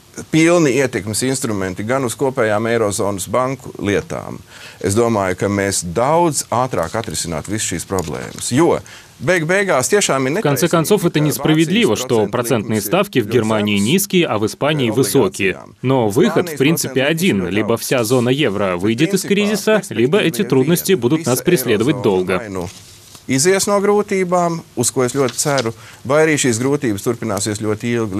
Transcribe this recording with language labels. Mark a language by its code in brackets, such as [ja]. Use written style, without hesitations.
[lv] Pilni ietekmes instrumenti gan uz kopējām eirozonas banku lietām. Es domāju, ka mēs daudz ātrāk atrisināt visu šīs problēmas, jo... [ru] В конце концов, это несправедливо, что процентные ставки в Германии низкие, а в Испании высокие. Но выход, в принципе, один. Либо вся зона евро выйдет из кризиса, либо эти трудности будут нас преследовать долго. [lv] Izies no grūtībām, uz ko es ļoti ceru, vai arī šīs grūtības turpināsies ļoti ilgi.